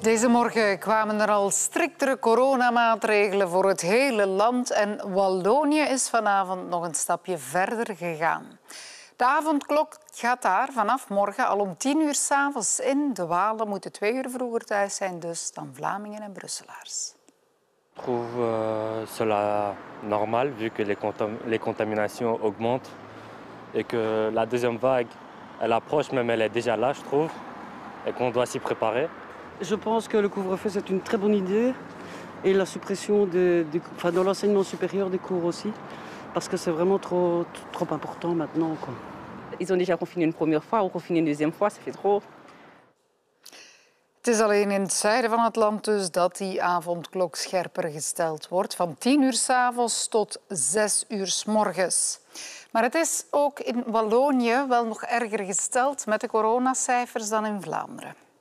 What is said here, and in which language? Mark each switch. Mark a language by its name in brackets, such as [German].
[Dutch] Deze morgen kwamen er al striktere coronamaatregelen voor het hele land en Wallonië is vanavond nog een stapje verder gegaan. De avondklok gaat daar vanaf morgen al om 10 uur 's avonds in. De Walen moeten 2 uur vroeger thuis zijn dus dan Vlamingen en Brusselaars. [French] Ik trouw cela normaal, vu que les contaminations augmentent et que la deuxième vague elle approche, même elle est déjà là, je trouve. Et qu'on doit s'y préparer. Je pense que le couvre-feu c'est une très bonne idée et la suppression dans l'enseignement supérieur des cours aussi parce que c'est vraiment trop important maintenant quoi. Ils ont déjà confiné une première fois, on confine une deuxième fois, ça fait trop. [Dutch] Het is alleen in het zuiden van het land dus dat die avondklok scherper gesteld wordt. Van 10 uur 's avonds tot 6 uur 's morgens. Maar het is ook in Wallonië wel nog erger gesteld met de coronacijfers dan in Vlaanderen.